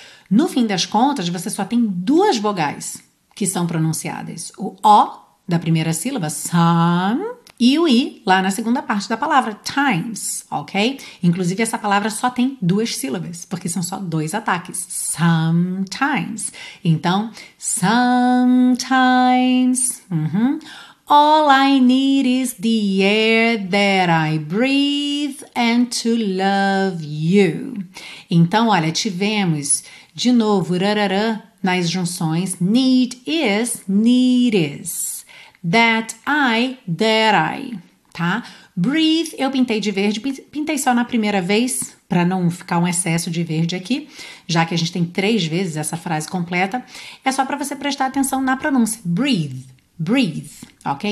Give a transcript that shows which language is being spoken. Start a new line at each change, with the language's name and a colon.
Portuguese: No fim das contas, você só tem duas vogais que são pronunciadas. O O da primeira sílaba, some, e o I lá na segunda parte da palavra, times, ok? Inclusive, essa palavra só tem duas sílabas, porque são só dois ataques, sometimes. Então, sometimes, uhum.
English: All I need is the air that I breathe and to love you.
Portuguese: Então, olha, tivemos de novo, rarará, nas junções, need is, need is.
English: That I, that I,
Portuguese: tá? Breathe, eu pintei de verde, pintei só na primeira vez, para não ficar um excesso de verde aqui, já que a gente tem três vezes essa frase completa, é só para você prestar atenção na pronúncia, breathe, breathe, ok?